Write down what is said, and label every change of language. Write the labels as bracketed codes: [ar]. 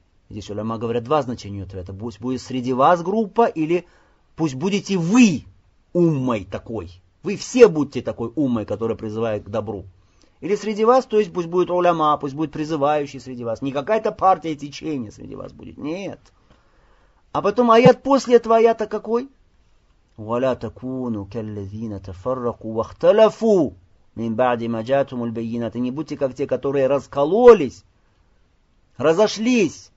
[ru] Здесь уляма говорят два значения этого аята: пусть будет среди вас группа, или пусть будете вы уммой такой. Вы все будьте такой уммой, которая призывает к добру. Или среди вас, то есть пусть будет уляма, пусть будет призывающий среди вас. Не какая-то партия, течение среди вас будет. Нет. А потом аят после этого аята какой? [ar] ولا تكونوا كالذين تفرقوا واختلفوا من بعد ما جاءتهم البينات. [ru] Не будьте как те, которые раскололись, разошлись.